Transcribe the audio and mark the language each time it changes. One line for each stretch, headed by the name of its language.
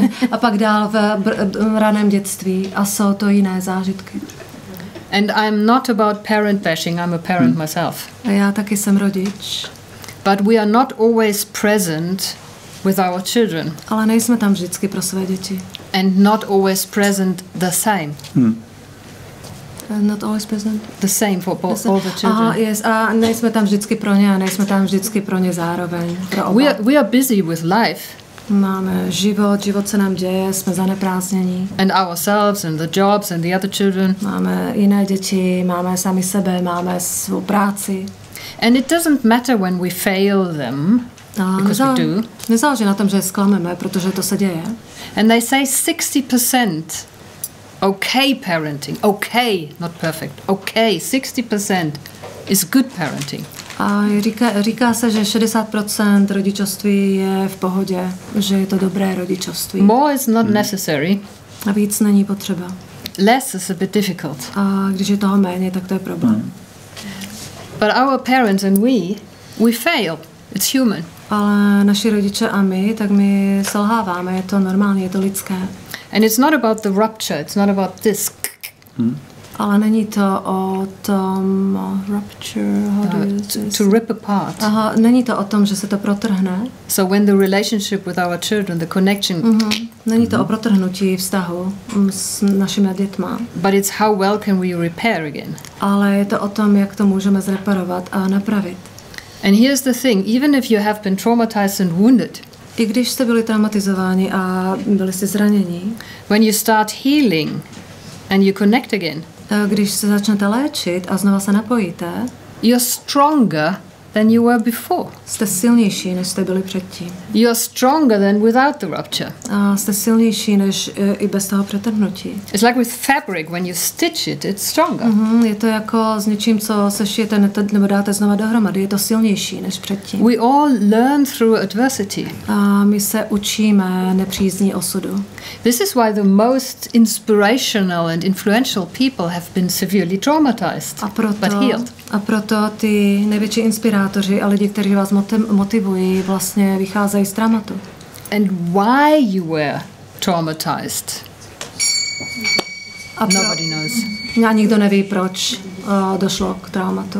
Czech: A pak dál v raném dětství a jsou to jiné zážitky.
English: And I'm not about parent bashing, I'm a parent myself.
Czech: A já taky jsem rodič.
English: But we are not always present with our children.
Czech: Ale nejsme tam vždycky pro své děti.
English: And not always present the same. Not always present the same for both all the children.
Czech: A nejsme tam vždycky pro ně, a nejsme tam vždycky pro ně zároveň. Pro oba.
English: We are busy with life.
Czech: Máme život, život se nám děje, jsme zaneprázdnění.
English: And ourselves and the jobs and the other children.
Czech: Máme jiné děti, máme sami sebe, máme svou práci.
English: And it doesn't matter when we fail them.
Czech: Nezáleží na tom, že zklameme, protože to se děje.
English: And they say 60% okay parenting. Okay, not perfect. Okay, 60% is good parenting.
Czech: A říká se, že 60% rodičovství je v pohodě, že je to dobré rodičovství.
English: More is not necessary.
Czech: A víc není potřeba.
English: Less is a bit difficult.
Czech: A když je toho méně, tak to je problém.
English: But our parents and we fail. It's human.
Czech: Ale naši rodiče a my, tak my selháváme, je to normální, je to lidské.
English: And it's not about the rupture, it's not about this.
Czech: Ale není to o tom rupture,
English: to rip apart.
Czech: Aha, není to o tom, že se to protrhne.
English: So when the relationship with our children, the connection.
Czech: Není to o protrhnutí vztahu s našimi dětmi.
English: But it's how well can we repair again.
Czech: Ale je to o tom, jak to můžeme zreparovat a napravit.
English: And here's the thing, even if you have been traumatized and wounded.
Czech: I když jste byli traumatizováni a byli jste zraněni.
English: When you start healing and you connect again.
Czech: Když se začnete léčit a znova se napojíte.
English: You're stronger than you were before.
Czech: Jste silnější, než jste byli předtím.
English: You're stronger than without the rupture.
Czech: Jste silnější, než i bez toho přetrhnutí.
English: It's like with fabric, when you stitch it, it's stronger.
Czech: Je to jako s něčím, co sešijete nebo dáte znova dohromady. Je to silnější, než předtím.
English: We all learn through adversity.
Czech: My se učíme nepřízní osudu.
English: This is why the most inspirational and influential people have been severely traumatized, but healed.
Czech: A proto ty největší inspirátoři a lidi, kteří vás motivují, vlastně vycházejí z traumatu.
English: And why you were traumatized? Nobody knows.
Czech: A nikdo neví, proč došlo k traumatu.